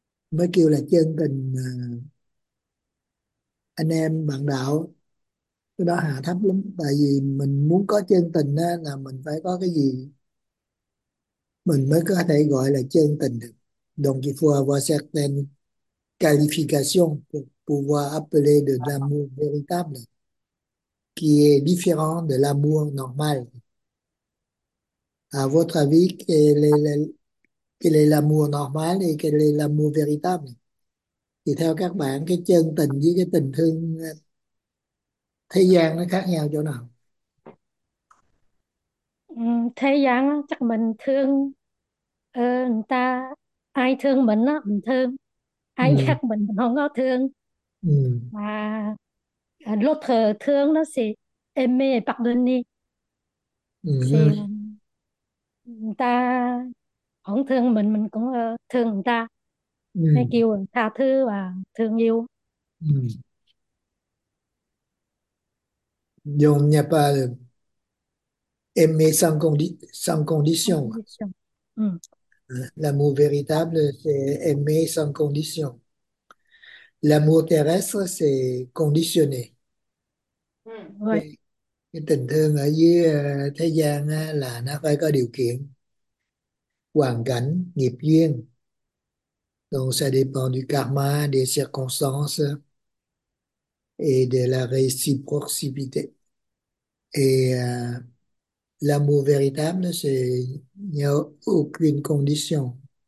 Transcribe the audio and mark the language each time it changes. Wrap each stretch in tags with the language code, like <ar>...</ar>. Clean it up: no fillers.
<vi>Mới kêu là chân tình anh em bạn đạo, cái đó hạ thấp lắm. Tại vì mình muốn có chân tình đó, là mình phải có cái gì mình mới có thể gọi là chân tình được.</vi> <fr>Donc il faut avoir certaines qualifications pouvoir appeler de l'amour véritable qui est différent de l'amour normal. À votre avis, quel est l'amour normal et quel est l'amour véritable?</fr> <vi>Thì theo các bạn, cái chân tình với cái tình thương thế gian nó khác nhau chỗ nào? Thế gian chắc mình thương người ta, ai thương mình đó mình thương, ai ghét mình không có thương. Mà</vi> <fr>l'autre</fr> <vi>thương nó sẽ</vi> <fr>aimer pardonner,</fr> <vi>thì người ta không thương mình cũng thương người ta, hay kêu tha thứ và thương yêu.</vi> <fr>Donc, il n'y a pas de aimer sans condition. L'amour véritable, c'est aimer sans condition. L'amour terrestre, c'est conditionné.</fr> <vi>Cái tình thương ở dưới thế gian là nó phải có điều kiện, hoàn cảnh, nghiệp duyên.</vi> <fr>Donc, ça dépend du karma, des circonstances et de la réciprocité. Et L'amour véritable, c'est il n'y a aucune condition.</fr>